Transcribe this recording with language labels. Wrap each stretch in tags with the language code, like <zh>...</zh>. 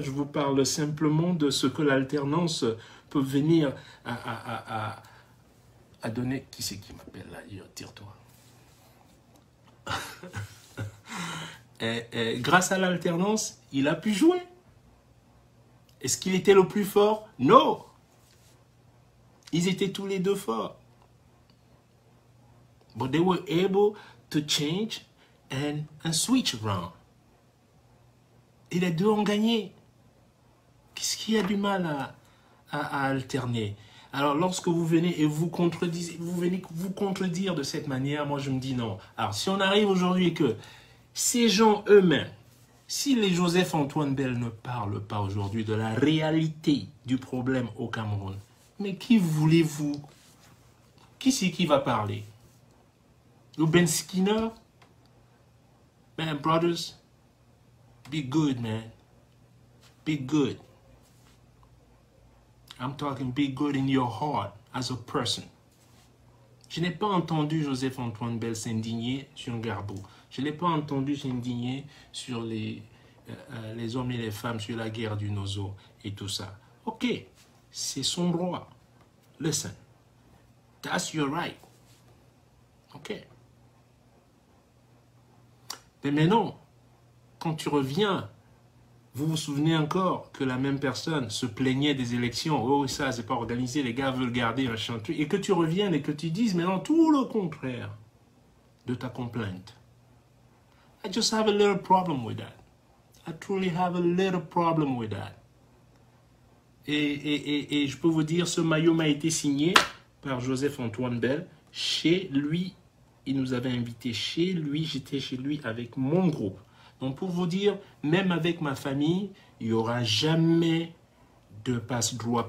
<fr>Je vous parle simplement de ce que l'alternance peut venir à donner. Qui c'est qui m'appelle là? Tire-toi. Et grâce à l'alternance, il a pu jouer. Est-ce qu'il était le plus fort? Non. Ils étaient tous les deux forts.</fr> <en>But they were able to change and switch around.</en> <fr>Et les deux ont gagné. Qu'est-ce qu'il y a du mal à alterner? Alors, lorsque vous venez et vous contredisez, vous venez vous contredire de cette manière, moi, je me dis non. Alors, si on arrive aujourd'hui et que ces gens eux-mêmes, si les Joseph-Antoine Bell ne parlent pas aujourd'hui de la réalité du problème au Cameroun, mais qui voulez-vous? Qui c'est qui va parler? Le Ben Skinner?</fr> <en>Man, brothers, be good, man. Be good. I'm talking be good in your heart as a person.</en> <fr>Je n'ai pas entendu Joseph-Antoine Bell s'indigner sur Garbo. Je n'ai pas entendu s'indigner sur les hommes et les femmes, sur la guerre du Nozo et tout ça.</fr> <en>Ok,</en> <fr>c'est son droit.</fr> <en>Listen, that's your right. Ok,</en> <fr>Mais maintenant, quand tu reviens, vous vous souvenez encore que la même personne se plaignait des élections, oh ça, c'est pas organisé, les gars veulent garder un chantier, et que tu reviennes et que tu dises maintenant tout le contraire de ta complainte.</fr> <en>I just have a little problem with that. I truly have a little problem with that.</en> <fr>Et je peux vous dire, ce maillot m'a été signé par Joseph-Antoine Bell. Chez lui, il nous avait invités. Chez lui, j'étais chez lui avec mon groupe. Donc pour vous dire, même avec ma famille, il n'y aura jamais de passe-droit.</fr>